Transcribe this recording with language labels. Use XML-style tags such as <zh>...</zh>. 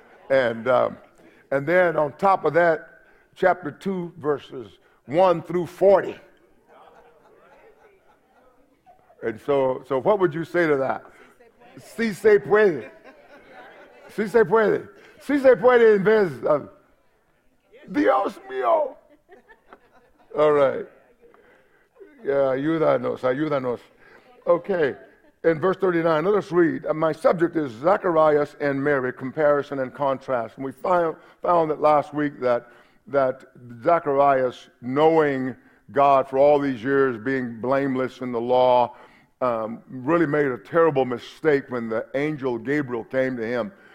<en>And then on top of that, chapter 2, verses 1 through 40. And so what would you say to that?</en> <es>Si se puede. Si se puede. Si se puede en vez of Dios mío.</es> <en>All right.</en> <es>Yeah, ayúdanos, ayúdanos.</es> <en>Okay, in verse 39, let us read. My subject is Zacharias and Mary, comparison and contrast. And we found that last week that Zacharias, knowing God for all these years, being blameless in the law, really made a terrible mistake when the angel Gabriel came to him.</en>